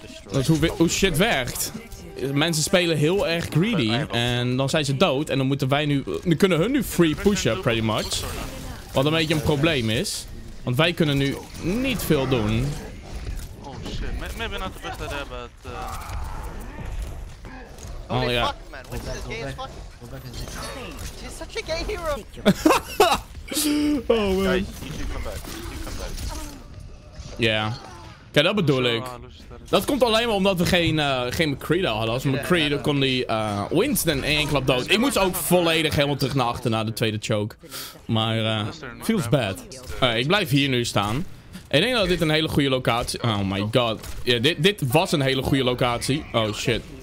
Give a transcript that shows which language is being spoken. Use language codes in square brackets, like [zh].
[nl] Dat is hoe shit werkt. Mensen spelen heel erg greedy en dan zijn ze dood en dan moeten wij nu... Dan kunnen hun nu free pushen, [en] pretty much. [nl] Wat een beetje een probleem is. Want wij kunnen nu niet veel doen. [en] Oh shit, maybe not the best idea, but... Holy fuck, man, what's this gay as fuck? She's such a gay hero! Oh man. Guys, you should come back. [nl] Yeah. Kijk, dat bedoel ik. Dat komt alleen maar omdat we geen McCree daar hadden. Als McCree, dan kon die Winston in één klap dood. Ik moest ook volledig helemaal terug naar achter, naar de tweede choke. Maar, [en] feels bad. [nl] Ik blijf hier nu staan. Ik denk dat dit een hele goede locatie... [en] Oh my god. [nl] Ja, dit was een hele goede locatie. Oh shit.